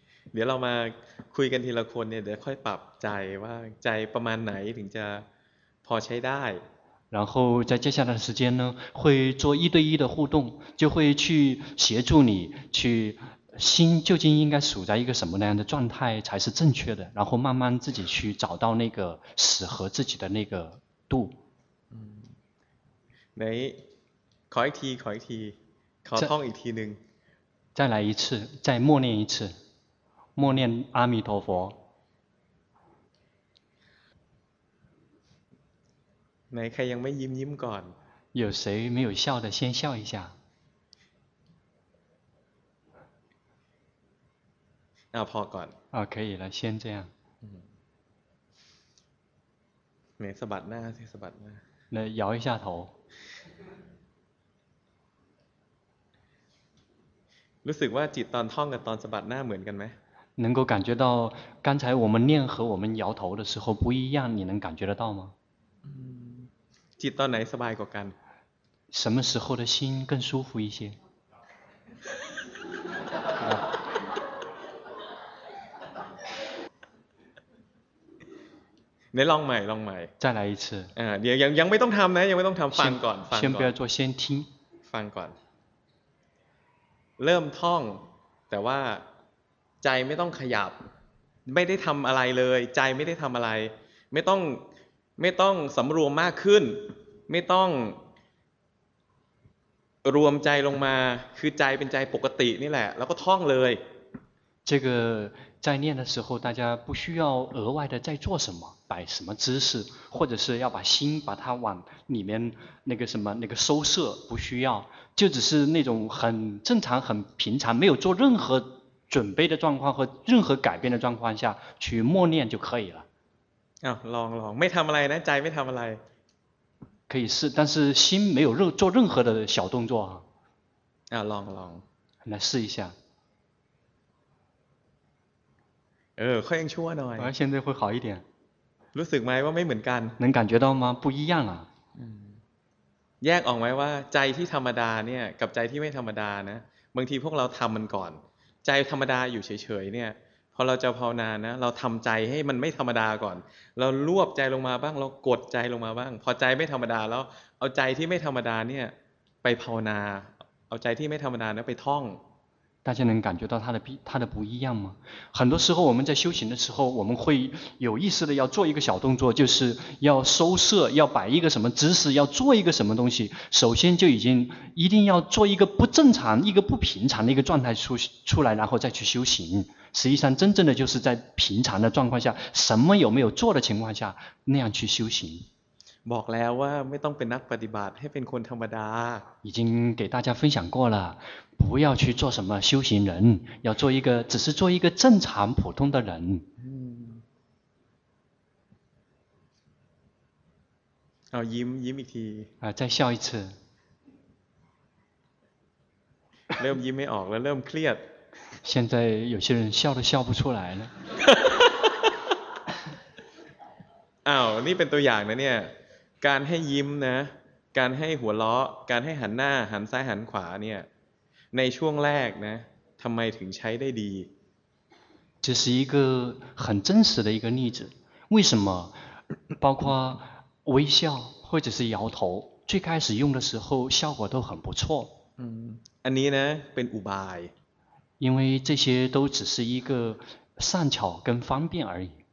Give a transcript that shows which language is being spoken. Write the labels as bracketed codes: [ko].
[th] เดี๋ยวเรามาคุยกันทีละคนเนี่ยเดี๋ยวค่อยปรับใจว่าใจประมาณไหนถึงจะพอใช้ได้ [zh] 然后在接下来的时间呢会做一对一的互动就会去协助你去心究竟应该处在一个什么那样的状态才是正确的然后慢慢自己去找到那个适合自己的那个度来考一题考通一题呢再来一次再默念一次默念阿弥陀佛 [th] ไหนใครยังไม่ยิ้มก่อน [zh] 有谁没有笑的先笑一下 [th] เอาพอก่อน [zh] 可以了先这样 [th] ไหนสะบัดหน้าสิสะบัดหน้า [zh] 来摇一下头 [th] รู้สึกว่าจิตตอนท่องกับตอนสะบัดหน้าเหมือนกันไหม [zh] 能够感觉到刚才我们念和我们摇头的时候不一样你能感觉得到吗 [th] จิตตอนไหนสบายกว่ากัน [zh] 什么时候的心更舒服一些 [th] ไหนลองใหม่ [zh] 再来一次 [th] เดี๋ยวยังไม่ต้องทำนะยังไม่ต้องทำฟังก่อนฟังก่อน [zh] 先不要做先听 [th] ฟังก่อนเริ่มท่องแต่ว่าใจไม่ต้องขยับไม่ได้ทำอะไรเลยใจไม่ได้ทำอะไรไม่ต้องสำรวมมากขึ้นไม่ต้องรวมใจลงมาคือใจเป็นใจปกตินี่แหละแล้วก็ท่องเลย [zh] 这个在念的时候大家不需要额外的再做什么摆什么姿势或者是要把心把它往里面那个什么那个收摄不需要就只是那种很正常很平常没有做任何准备的状况和任何改变的状况下去默念就可以了 [th] ลองไม่ทำอะไรนะใจไม่ทำอะไร [zh] 可以试但是心没有做任何的小动作 [th] ลอง [zh] 来试一下 [th] ค่อยยังชั่วหน่อย [zh] 现在会好一点 [th] รู้สึกไหมว่าไม่เหมือนกัน [zh] 能感觉到吗不一样啊 [th] แยกออกไหมว่าใจที่ธรรมดาเนี่ยกับใจที่ไม่ธรรมดานะบางทีพวกเราทำมันก่อนใจธรรมดาอยู่เฉยๆเนี่ยพอเราจะภาวนานะเราทำใจให้มันไม่ธรรมดาก่อนเรารวบใจลงมาบ้างเรากดใจลงมาบ้างพอใจไม่ธรรมดาแล้วเอาใจที่ไม่ธรรมดาเนี่ยไปภาวนาเอาใจที่ไม่ธรรมดานะไปท่อง [zh] 大家能感觉到它的不一样吗？很多时候我们在修行的时候，我们会有意识的要做一个小动作，就是要收摄，要摆一个什么姿势，要做一个什么东西。首先就已经一定要做一个不正常、一个不平常的一个状态出来，然后再去修行。实际上，真正的就是在平常的状况下，什么有没有做的情况下那样去修行。 [th] บอกแล้วว่าไม่ต้องเป็นนักปฏิบัติให้เป็นคนธรรมดา [zh] 已经给大家分享过了。不要去做什么修行人，要做一个，只是做一个正常普通的人。嗯。好，阴阴一次。啊，再笑一次。 [th] เริ่มยิ้มไม่ออกแล้ว เริ่มเครียด。 [zh] 现在有些人笑都笑不出来了。 [th] อ้าว，นี่เป็นตัวอย่างนะเนี่ย，การให้ยิ้มนะ，การให้หัวเราะ，การให้หันหน้า，หันซ้าย หันขวาเนี่ยในช่วงแรกนะทำไมถึงใช้ได้ดี [zh] 这是一个很真实的一个例子为什么包括微笑或者是摇头最开始用的时候效果都很不错 [th] อันนี้นะเป็นอุบาย [zh] 因为这些都只是一个善巧跟方便而已